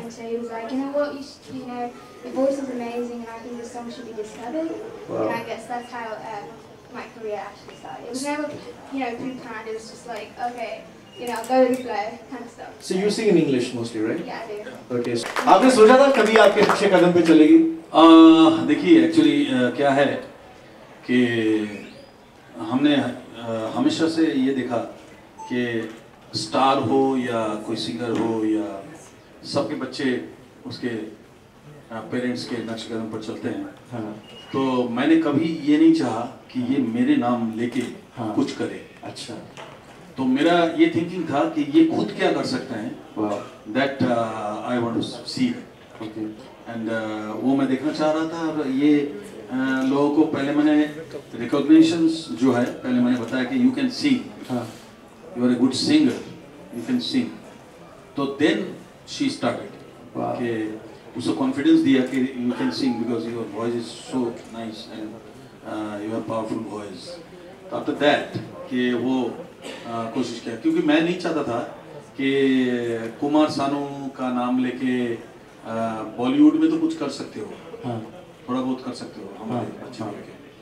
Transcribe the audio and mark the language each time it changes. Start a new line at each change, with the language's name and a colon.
English: And so he was like, you know what, you know. Your voice is amazing and I think this song should be discovered. Wow. And I guess that's how my career actually started. It was never, you know, pre-planned. It was just like, okay, you know, go with the flow kind of stuff. So you sing in English mostly, right? Yeah, I do.
Hindi: Okay. Aapne socha tha kabhi aapke achhe kadam pe chalegi? Dekhiye, actually, kya hai ki humne hamesha se ye dekha ki star हो या कोई singer हो या सबके बच्चे उसके parents के नक्श कदम पर चलते हैं. तो मैंने कभी ये नहीं चाहा कि ये मेरे नाम लेके कुछ करे. अच्छा. तो मेरा ये थिंकिंग था कि ये खुद क्या कर सकते हैं.
English: That I want to see.
Hindi: And वो मैं देखना चाह रहा था. और ये लोगों को पहले मैंने रिकॉग्निशन जो है पहले मैंने बताया कि
English: You can see. You are a good singer. You can sing. So then she started. Wow.
Hindi: के उसको confidence दिया कि
English: you can sing because your voice is so nice and you have powerful voice.
Hindi: तो
English: after that
Hindi: के वो कोशिश किया क्योंकि मैं नहीं चाहता था कि कुमार सानू का नाम लेके Bollywood में तो कुछ कर सकते हो. हाँ. थोड़ा बहुत कर सकते हो हमारे अच्छा लेके.